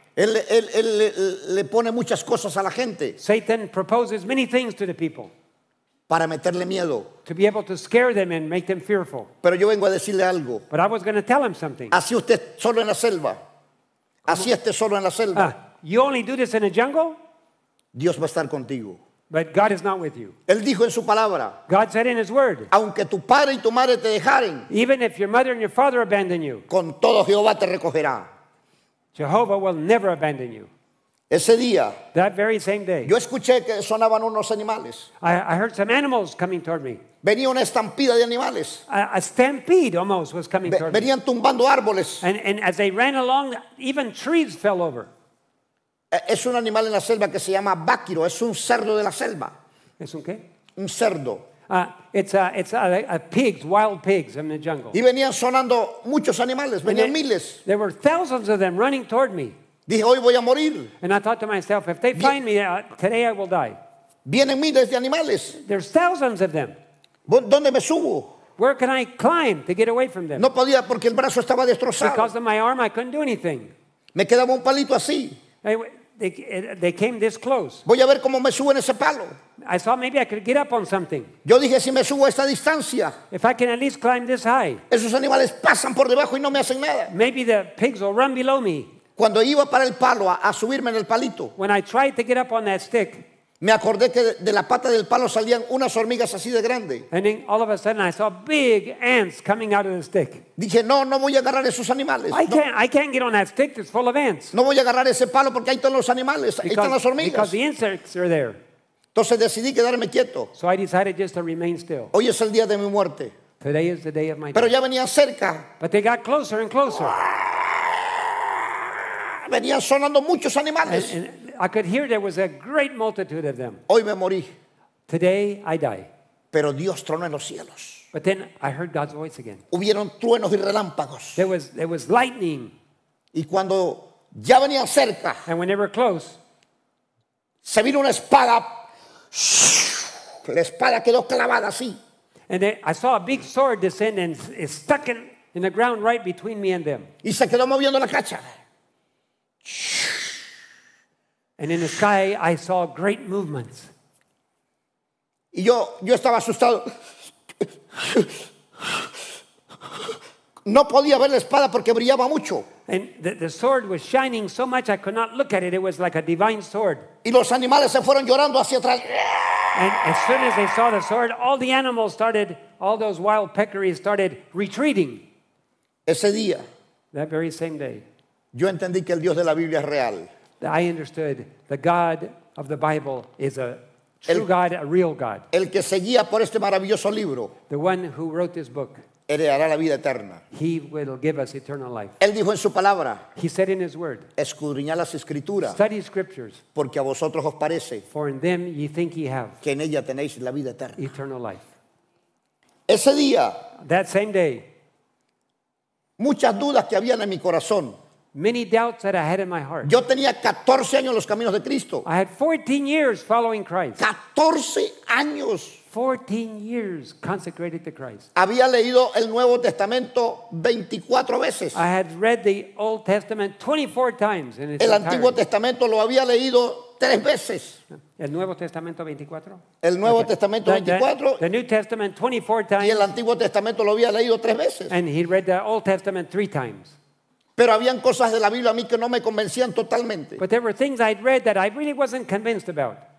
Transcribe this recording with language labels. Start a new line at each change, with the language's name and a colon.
Spanish: Él le pone muchas cosas a la gente.
English: Satan proposes many things to the people.
Spanish: Para meterle miedo.
English: To be able to scare them and make them fearful.
Spanish: Pero yo vengo a decirle algo.
English: But I was going to tell him something.
Spanish: Así usted solo en la selva. Así esté solo en la selva.
English: You only do this in a jungle?
Spanish: Dios va a estar contigo.
English: But God is not with you.
Spanish: Él dijo en su palabra.
English: God said in his word.
Spanish: Aunque tu padre y tu madre te dejaren.
English: Even if your mother and your father abandon you.
Spanish: Con todo Jehová te recogerá.
English: Jehovah will never abandon you.
Spanish: Ese día,
English: that very same day,
Spanish: yo escuché que sonaban unos animales.
English: I heard some animals coming toward me.
Spanish: Venía una estampida de animales.
English: A stampede almost was coming toward me.
Spanish: Venían tumbando árboles.
English: And as they ran along, even trees fell over.
Spanish: Es un animal en la selva que se llama báquiro. Es un cerdo de la selva. ¿Es un qué? Un cerdo.
English: It's a pigs, wild pigs in the jungle.
Spanish: Y venían sonando muchos animales. Venían miles.
English: There were thousands of them running toward me.
Spanish: Dije, hoy voy a morir.
English: And I thought to myself, if they find me, today I will die.
Spanish: Vienen miles de animales.
English: There's thousands of them.
Spanish: ¿Dónde me subo?
English: Where can I climb to get away from them?
Spanish: No podía porque el brazo estaba destrozado.
English: Because of my arm, I couldn't do anything.
Spanish: Me quedaba un palito así.
English: They came this close.
Spanish: Voy a ver cómo me subo en ese palo.
English: I thought maybe I could get up on something.
Spanish: Yo dije, si me subo a esta distancia,
English: if I can at least climb this high,
Spanish: esos animales pasan por debajo y no me hacen nada.
English: Maybe the pigs will run below me.
Spanish: Cuando iba para el palo a subirme en el palito,
English: when I tried to get up on that stick,
Spanish: me acordé que de la pata del palo salían unas hormigas así de grande.
English: And then all of a sudden I saw big ants coming out of the stick.
Spanish: Dije, no, no voy a agarrar esos animales.
English: I can't get on that stick, it's full of ants.
Spanish: No voy a agarrar ese palo porque ahí están los animales, ahí están las hormigas.
English: Because the insects are there.
Spanish: Entonces decidí quedarme quieto.
English: So I decided just to remain still.
Spanish: Hoy es el día de mi muerte.
English: Today is the day of my death.
Spanish: Pero ya venía cerca.
English: But they got closer and closer.
Spanish: Venían sonando muchos animales.
English: I could hear there was a great multitude of them.
Spanish: Hoy me morí.
English: Today I die.
Spanish: Pero Dios tronó en los cielos.
English: But then I heard God's voice again.
Spanish: Hubieron truenos y relámpagos.
English: There was lightning.
Spanish: Y cuando ya venían cerca,
English: and when they were close,
Spanish: se vino una espada. La espada quedó clavada así.
English: And I saw a big sword descend and it stuck in the ground right between me and them.
Spanish: Y se quedó moviendo la cacha.
English: And in the sky, I saw great movements.
Spanish: Y yo estaba asustado. No podía ver la espada porque brillaba mucho.
English: And the sword was shining so much I could not look at it. It was like a divine sword.
Spanish: Y los animales se fueron llorando hacia atrás.
English: And as soon as they saw the sword, all the animals started, all those wild peccaries started retreating.
Spanish: Ese día.
English: That very same day.
Spanish: Yo entendí que el Dios de la Biblia es real.
English: I understood the God of the Bible is a true God, a real God.
Spanish: El que seguía por este maravilloso libro,
English: the one who wrote this book,
Spanish: heredará la vida eterna.
English: He will give us eternal life.
Spanish: Él dijo en su palabra,
English: he said in his word,
Spanish: escudriñad las escrituras,
English: study scriptures,
Spanish: porque a vosotros os parece,
English: for in them ye think ye have,
Spanish: que en ella tenéis la vida eterna.
English: Eternal life.
Spanish: Ese día,
English: that same day,
Spanish: muchas dudas que habían en mi corazón,
English: many doubts that I had in my heart.
Spanish: Yo tenía 14 años en los caminos de Cristo.
English: I had 14 years following Christ.
Spanish: 14 años.
English: 14 years consecrated to Christ.
Spanish: Había leído el Nuevo Testamento 24 veces.
English: I had read the Old Testament 24 times in its
Spanish: entirety. El Antiguo Testamento lo había leído 3 veces. El Nuevo Testamento 24. El Nuevo Testamento 24.
English: The New Testament 24 times.
Spanish: Y el Antiguo Testamento lo había leído 3 veces.
English: And he read the Old Testament 3 times.
Spanish: Pero habían cosas de la Biblia a mí que no me convencían totalmente.
English: But there were things I'd read that I really wasn't convinced about.